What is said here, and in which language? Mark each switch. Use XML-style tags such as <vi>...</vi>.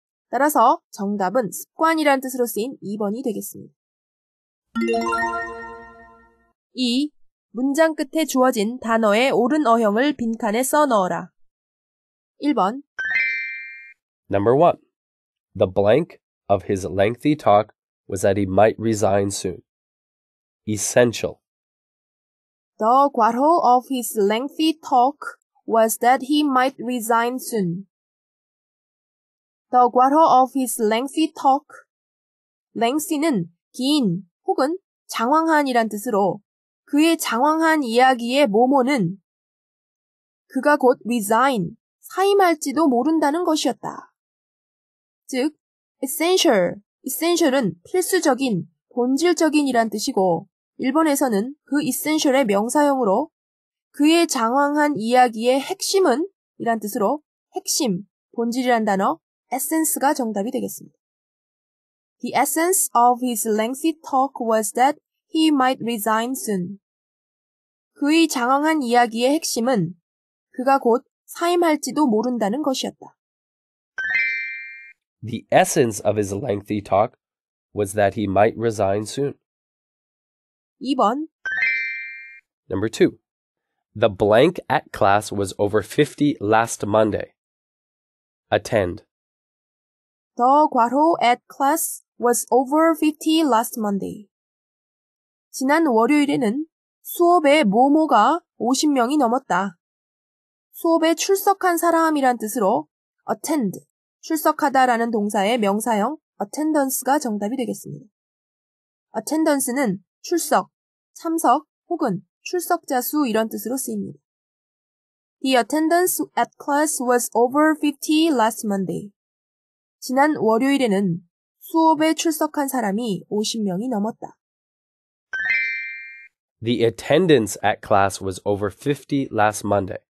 <ko>따라서 정답은 습관이라는 뜻으로 쓰인 2번이 되겠습니다. 2. 문장 끝에 주어진 단어의 옳은 어형을 빈칸에 써넣어라. 1번</ko> <en>Number 1. The blank of his lengthy talk was that he might resign soon. Essential. The</en> <ko>괄호</ko> <en>of his lengthy talk was that he might resign soon.</en> <ko>The 괄호</ko> <en>of his lengthy talk.</en> <ko>Lengthy는 긴 혹은 장황한이란 뜻으로 그의 장황한 이야기의 뭐뭐는 그가 곧 resign, 사임할지도 모른다는 것이었다. 즉, essential. Essential은 필수적인, 본질적인이란 뜻이고 일본에서는 그 essential의 명사형으로 그의 장황한 이야기의 핵심은 이란 뜻으로 핵심, 본질이란 단어 essence가 정답이 되겠습니다.</ko> <en>The essence of his lengthy talk was that he might resign soon.</en> <ko>그의 장황한 이야기의 핵심은 그가 곧 사임할지도 모른다는 것이었다.</ko> <en>The essence of his lengthy talk was that he might resign soon.</en> <ko>2번</ko> <en>Number 2. The blank at class was over 50 last Monday. Attend. The</en> <ko>괄호</ko> <en>at class was over 50 last Monday.</en> <ko>지난 월요일에는 수업에 뭐뭐가 50명이 넘었다. 수업에 출석한 사람이란 뜻으로 attend. 출석하다라는 동사의 명사형 attendance가 정답이 되겠습니다. attendance는 출석, 참석 혹은 출석자 수 이런 뜻으로 쓰입니다.</ko> <en>The attendance at class was over 50 last Monday.</en> <ko>지난 월요일에는 수업에 출석한 사람이 50명이 넘었다.</ko> <en>The attendance at class was over 50 last Monday.</en>